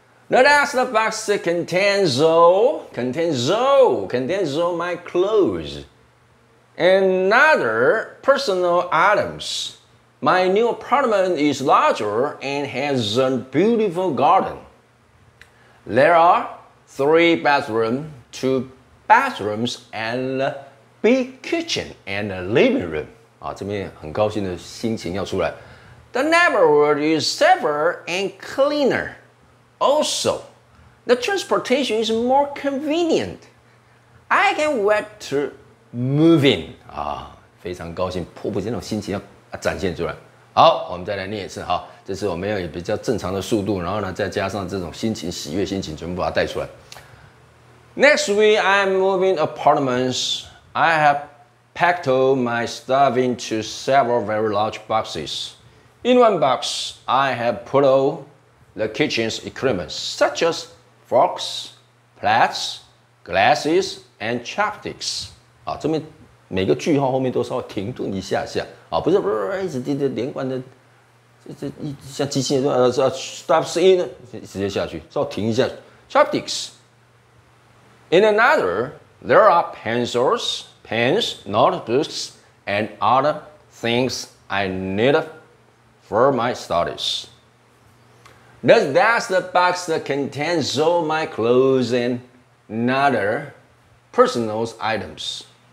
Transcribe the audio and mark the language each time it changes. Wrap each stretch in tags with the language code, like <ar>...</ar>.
<en>Now that's the box that contains all my clothes and other personal items. My new apartment is larger and has a beautiful garden. There are three bathrooms, two bathrooms, and a big kitchen and a living room.</en> <zh>啊，这边很高兴的心情要出来。</zh> <en>The neighborhood is safer and cleaner. Also, the transportation is more convenient. I can wait to move in.</en> <zh>啊，非常高兴，迫不及待心情要展现出来。好，我们再来念一次哈。这次我们要以比较正常的速度，然后呢，再加上这种心情、喜悦心情，全部把它带出来。</zh> <en>Next week, I'm moving apartments. I have packed all my stuff into several very large boxes. In one box, I have put all. The kitchen's equipment, such as forks, plates, glasses, and chopsticks.</en> <zh>啊，这边每个句号后面都稍微停顿一下下。啊，不是，一直滴滴连贯的，这一像机器人说 stop in 直接下去，稍微停一下。</zh> <en>Chopsticks. In another, there are pencils, pens, notebooks, and other things I need for my studies. That's the box that contains all my clothes and other personal items.</en>